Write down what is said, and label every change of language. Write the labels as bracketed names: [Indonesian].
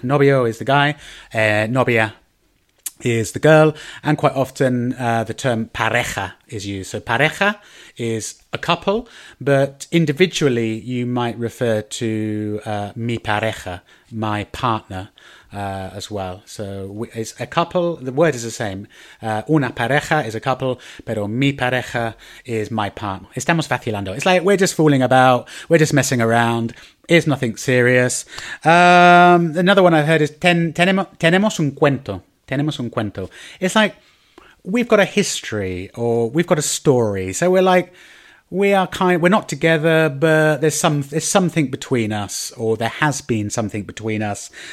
[English] Novio is the guy, novia is the girl, and quite often the term pareja is used. So pareja is a couple, but individually you might refer to mi pareja, my partner, as well. So it's a couple, the word is the same. Una pareja is a couple, pero mi pareja is my partner. [Spanish] Estamos vacilando. [English] It's like we're just fooling about, we're just messing around. It's nothing serious. Another one I've heard is [Spanish] tenemos un cuento. Tenemos un cuento. [English] It's like we've got a history or we've got a story. So we're like, we're not together, but there's something between us, or there has been something between us.